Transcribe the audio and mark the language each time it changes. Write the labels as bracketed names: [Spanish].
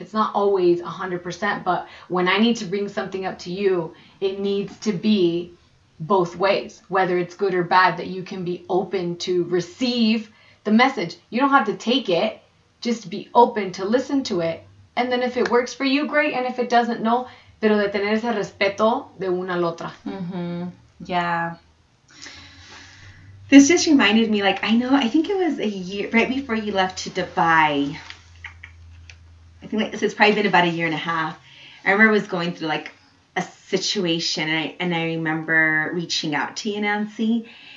[English] It's not always 100%, but when I need to bring something up to you, it needs to be both ways, whether it's good or bad, that you can be open to receive the message. You don't have to take it. Just be open to listen to it. And then if it works for you, great. And if it doesn't, no. [Spanish] Pero de tener ese respeto de una a la otra. [English] Mm-hmm. Yeah. This just reminded me, like, I know, I think it was a year, right before you left to Dubai. I think, like, so it's probably been about a year and a half. I remember I was going through, like, a situation. And I remember reaching out to you, Nancy.